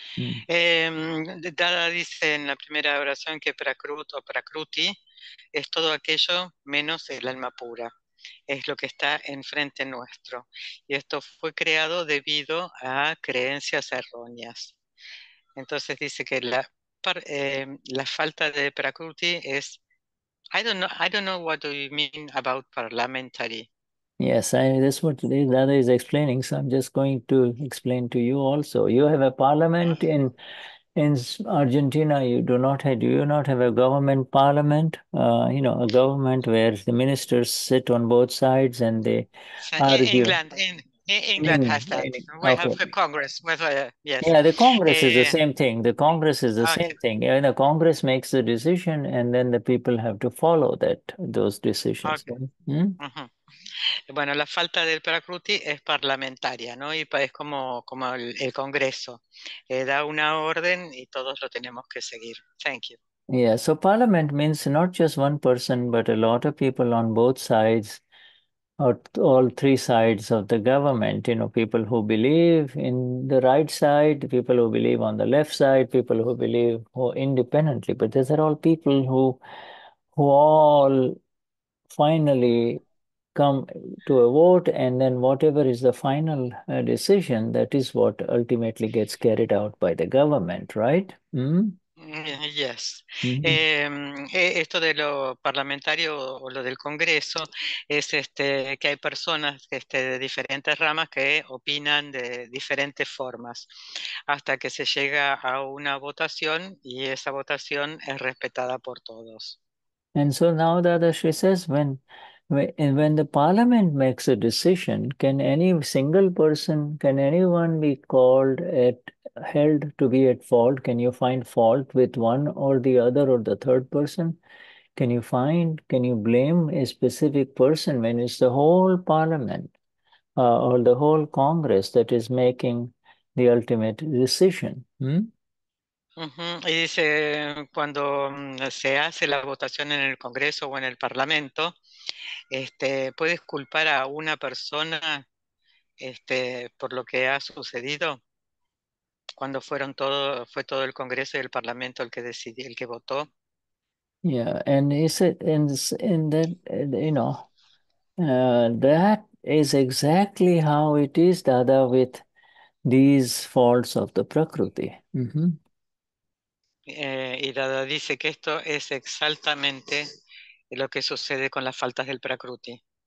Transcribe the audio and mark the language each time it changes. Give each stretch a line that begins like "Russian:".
Spanish: Dada dice en la primera oración que prakrut o prakruti es todo aquello menos el alma pura. Es lo que está enfrente nuestro. Y esto fue creado debido a creencias erróneas. Entonces dice que la falta de prakruti es...
English: I don't know what do you mean about parliamentary. Yes, that's what Dada is explaining. So I'm just going to explain to you also. You have a parliament in Argentina, do you not have a government parliament? You know, a government where the ministers sit on both sides and they argue. England has that. We have a Congress. Yeah, the Congress is the same thing. The Congress is the same thing. Yeah, the Congress makes the decision and then the people have to follow those decisions. Okay.
Spanish: Bueno, la falta del Prakruti es parlamentaria, ¿no? Y es como el Congreso. Da una orden y todos lo tenemos que seguir.
English: Thank you. Yeah, so parliament means not just one person, but a lot of people on both sides, or all three sides of the government. You know, people who believe in the right side, people who believe on the left side, people who believe who independently. But these are all people who all finally come to a vote, and then whatever is the final decision, that is what ultimately gets carried out by the government, right? Yes.
Spanish: Esto de lo parlamentario o lo del Congreso es que hay personas de diferentes ramas que opinan de diferentes formas hasta que se llega a una votación y esa votación es respetada por todos.
English: And so now Dadashri says, when the parliament makes a decision, can any single person, can anyone be called at held to be at fault? Can you find fault with one or the other or the third person? Can you blame a specific person when it's the whole parliament or the whole Congress that is making the ultimate decision?
Spanish: Y dice, cuando se hace la votación en el Congreso o en el Parlamento, ¿puedes culpar a una persona, por lo que ha sucedido? Cuando fue todo el Congreso y el Parlamento el que decidió, el que votó.
English: Yeah, and he said, and then you know, that is exactly how it is, Dada, with these faults of the Prakriti.
Spanish: Y Dada dice que esto es exactamente lo que sucede con las faltas del Prakruti.